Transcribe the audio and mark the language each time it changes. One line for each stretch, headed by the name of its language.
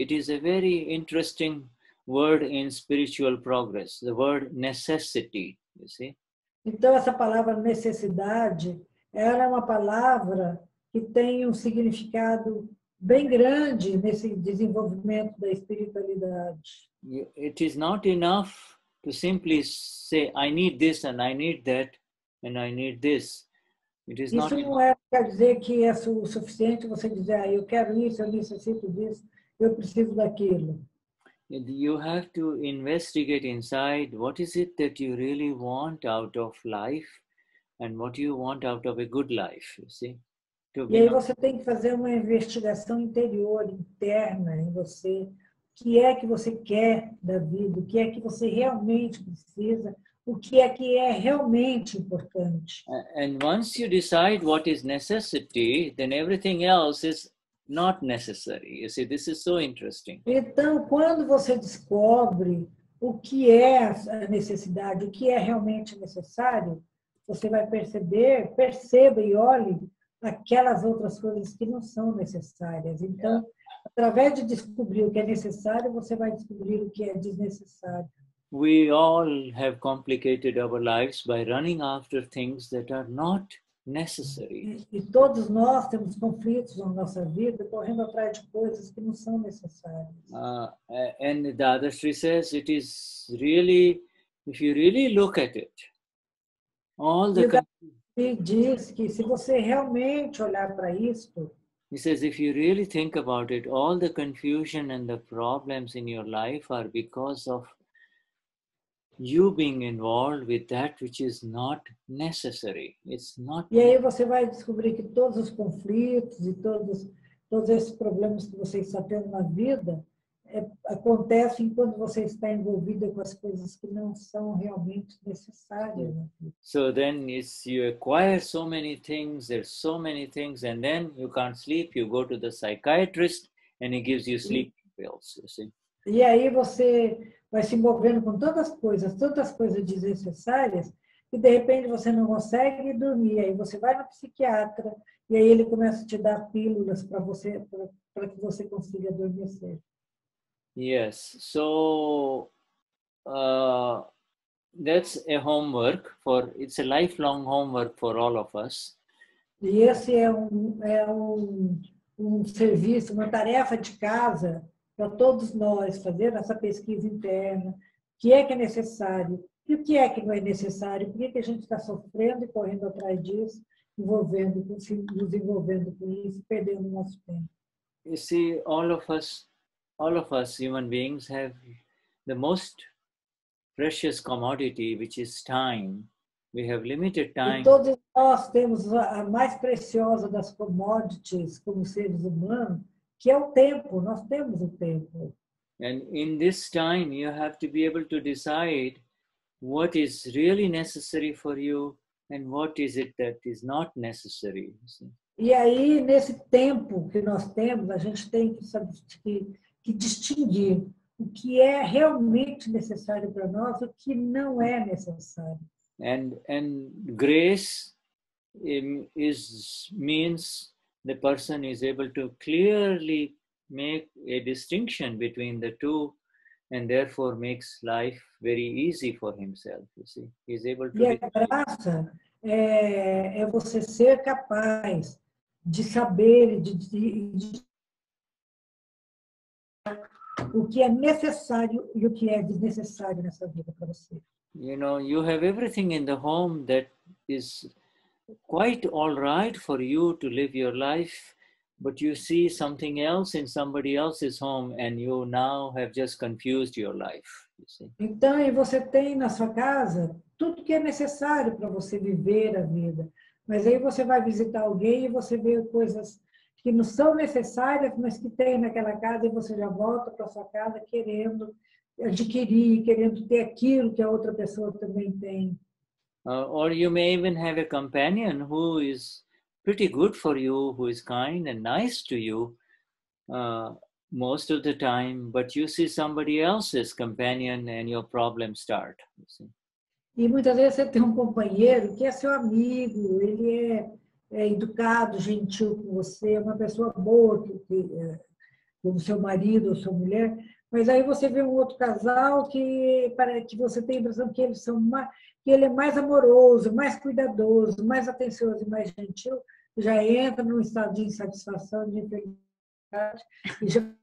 English: It is a very interesting word in spiritual progress. The word necessity, you see?
Portuguese: Então essa palavra necessidade, ela é uma palavra que tem um significado bem grande nesse desenvolvimento da espiritualidade.
English: It is not enough to simply say, I need this and I need that and I need this. It is
Portuguese: isso
English: not
Portuguese: não
English: enough.
Portuguese: É, quer dizer que é suficiente você dizer, ah, eu quero isso, eu necessito disso, eu preciso daquilo.
English: You have to investigate inside what is it that you really want out of life and what you want out of a good life, you see?
Portuguese: E aí você tem que fazer uma investigação interior, interna em você. O que é que você quer da vida? O que é que você realmente precisa? O que é realmente importante?
English: And once you decide what is necessity, then everything else is not necessary. You see, this is so interesting.
Portuguese: Então, quando você descobre o que é a necessidade, o que é realmente necessário, você vai perceber, perceba e olhe aquelas outras coisas que não são necessárias. Então, através de descobrir o que é necessário, você vai descobrir o que é desnecessário.
English: We all have complicated our lives by running after things that are not necessary.
Portuguese: E todos nós temos conflitos na nossa vida correndo atrás de coisas que não são necessárias.
English: And the Dadashri says it is really, if you really look at it, all the
Portuguese: He diz que se você realmente olhar para isto,
English: he says, if you really think about it, all the confusion and the problems in your life are because of you being involved with that which is not necessary. It's not.
Portuguese: E aí você vai descobrir que todos os conflitos e todos esses problemas que você está tendo na vida acontecem quando você está envolvido com as coisas que não são realmente necessárias.
English: So then you acquire so many things, there's so many things, and then you can't sleep, you go to the psychiatrist and he gives you sleep pills, you see.
Portuguese: E aí você vai se envolvendo com tantas coisas desnecessárias, que de repente você não consegue dormir, aí você vai no psiquiatra e aí ele começa a te dar pílulas para você, para que você consiga adormecer.
English: Yes, so that's a homework for, it's a lifelong homework for all of us.
Portuguese: E esse é um serviço, uma tarefa de casa para todos nós fazer essa pesquisa interna, o que é necessário e o que é que não é necessário, por que a gente está sofrendo e correndo atrás disso, nos envolvendo com isso, perdendo o nosso tempo.
English: You see, all of us human beings have the most precious commodity, which is time. We have limited time.
Portuguese: E todos nós temos a mais preciosa das commodities como seres humanos, que é o tempo. Nós temos o tempo.
English: And in this time, you have to be able to decide what is really necessary for you and what is it that is not necessary.
Portuguese: E aí, nesse tempo que nós temos, a gente tem que saber que distinguir o que é realmente necessário para nós e o que não é necessário.
English: And grace means the person is able to clearly make a distinction between the two and therefore makes life very easy for himself, you see. He's able to.
Portuguese: E a graça é você ser capaz de saber de o que é necessário e o que é desnecessário nessa vida para você.
English: You know, you have everything in the home that is quite all right for you to live your life, but you see something else in somebody else's home and you now have just confused your life, you see.
Portuguese: Então, você tem na sua casa tudo que é necessário para você viver a vida, mas aí você vai visitar alguém e você vê coisas que não são necessárias, mas que tem naquela casa e você já volta para sua casa querendo adquirir, querendo ter aquilo que a outra pessoa também tem.
English: Or you may even have a companion who is pretty good for you, who is kind and nice to you most of the time, but you see somebody else's companion and your problems start.
Portuguese: E muitas vezes você tem um companheiro que é seu amigo, ele é educado, gentil com você, é uma pessoa boa, como seu marido ou sua mulher, mas aí você vê um outro casal que você tem a impressão que eles são mais, que ele é mais amoroso, mais cuidadoso, mais atencioso e mais gentil, já entra num estado de insatisfação, de infelicidade, e já.